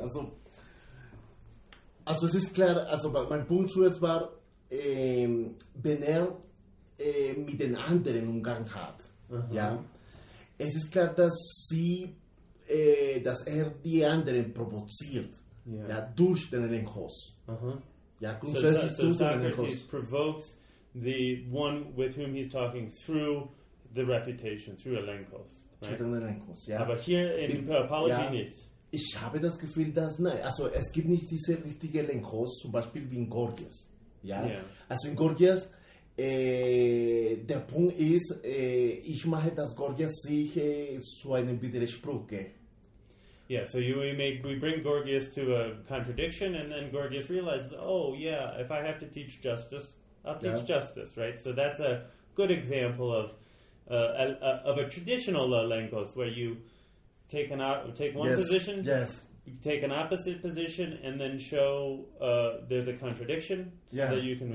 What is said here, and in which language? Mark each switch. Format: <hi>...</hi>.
<de>Also es ist klar, also mein Punkt zuerst war, wenn er mit den anderen Umgang hat, ja, es ist klar, dass sie, dass er die anderen provoziert, ja, durch den Elenkos. Ja,</de> <en>so Socrates provokes the one with whom he's talking through the reputation, through Elenkos. Right? Through Elenkos, ja.</en> <de>Aber hier in Apologenes. Ja, ich habe das Gefühl, dass nein. Also es gibt nicht diese richtige Elenkos, zum Beispiel wie in Gorgias. Ja? Yeah. Also in Gorgias, der Punkt ist, ich mache, dass Gorgias sich zu einem Widerspruch geht.</de> <en>Yeah, so you, we bring Gorgias to a contradiction, and then Gorgias realizes, oh yeah, if I have to teach justice, I'll teach justice, right? So that's a good example of a traditional Elenkos, where you take an take an opposite position, and then show there's a contradiction so that you can.</en>